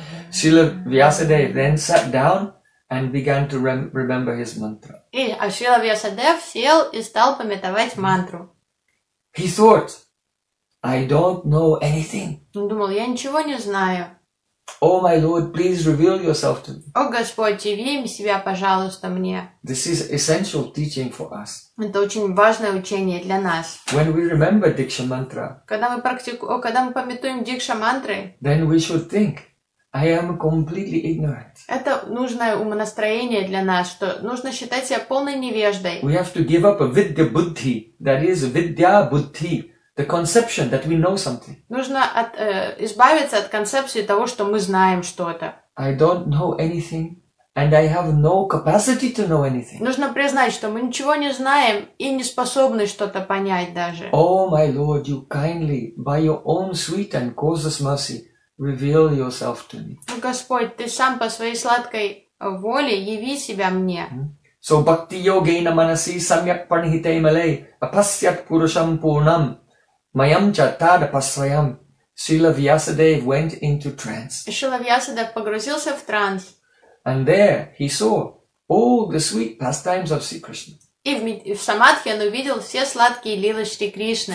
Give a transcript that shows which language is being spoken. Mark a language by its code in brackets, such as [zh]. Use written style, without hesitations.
[en] Srila Vyasadeva then sat down and began to remember his mantra. [ru] И Ашрила Вьясадев сел и стал памятовать мантру. [en] He thought, I don't know anything. [ru] Он думал, я ничего не знаю. [en] Oh my Lord, please reveal yourself to me. [ru] О Господь, яви себя, пожалуйста, мне. [en] This is essential teaching for us. [ru] Это очень важное учение для нас. [en] When we remember Diksha mantra, [ru] когда мы памятуем Дикша мантры, [en] then we should think, I am completely ignorant. [ru] Это нужное умонастроение для нас, что нужно считать себя полной невеждой. [en] We have to give up a vidya buddhi, that is vidya buddhi. The conception that we know something. [ru] Нужно избавиться от концепции того, что мы знаем что-то. [en] I don't know anything, and I have no capacity to know anything. [ru] Нужно признать, что мы ничего не знаем и не способны что-то понять даже. [en] Oh, my Lord, you kindly, by your own sweet and causeless mercy, reveal yourself to me. [ru] Господь, ты сам по своей сладкой воле яви себя мне. [sa] So, bhakti yogena manasi samyak panhite male apasyat purusham purnam. Mayam cha tadapasvayam. [en] Srila Vyasadev went into trance. [ru] Srila Vyasadev погрузился в транс. [en] And there he saw all the sweet pastimes of Sri Krishna. [ru] И в самадхи он увидел все сладкие лилы Шри Кришны.